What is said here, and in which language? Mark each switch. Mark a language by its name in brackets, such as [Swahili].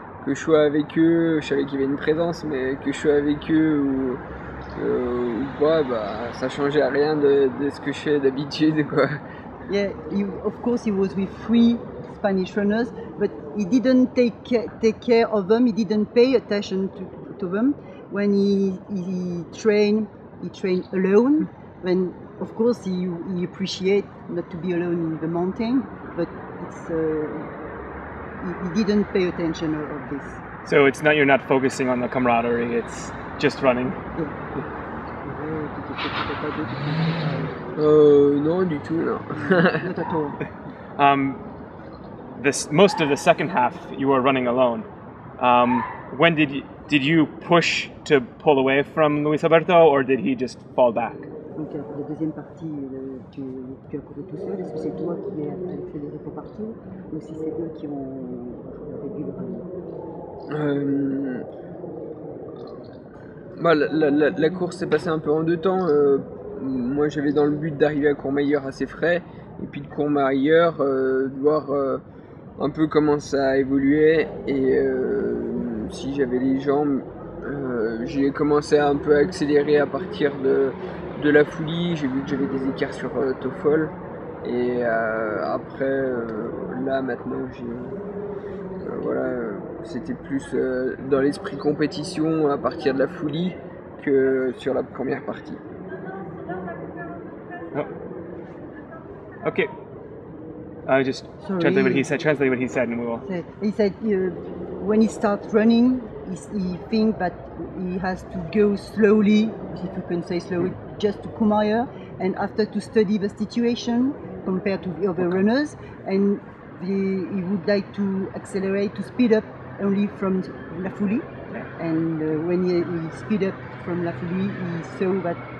[French] Que je sois avec eux, je savais qu'il y avait une présence, mais que je sois avec eux ou quoi, bah, ça changeait à rien de ce que je fais d'habitude, quoi. [English] Yeah, you, of course, he was with three Spanish runners, but he didn't take care of them, he didn't pay attention to them. When he trained alone. When, of course, he appreciate not to be alone in the mountain, but it's. He didn't pay attention to this. So it's not, you're not focusing on the camaraderie, it's just running? [French] No, du tout, no. [English] Not at all. Most of the second half, you were running alone. When did you push to pull away from Luis Alberto, or did he just fall back? [French] Donc la deuxième partie, tu as couru tout seul, est-ce que c'est toi qui as accéléré pour partir ou si c'est eux qui ont réduit le rythme? La course s'est passée un peu en deux temps. Moi j'avais dans le but d'arriver à Courmayeur assez frais et puis de Courmayeur de voir un peu comment ça a évolué et si j'avais les jambes, j'ai commencé à un peu accélérer à partir de la foulie, j'ai vu que j'avais des écarts sur Tofol et après là maintenant j'ai voilà, c'était plus dans l'esprit compétition à partir de la foulie que sur la première partie. [English] Oh. Okay. I just translate what he said and we will. He said when he starts running, he think that he has to go slowly, if you can say slowly. Mm. Just to Courmayeur and after to study the situation compared to the other runners, and he would like to accelerate, to speed up only from La Foulie. Yeah. And when he speed up from La Foulie, he saw that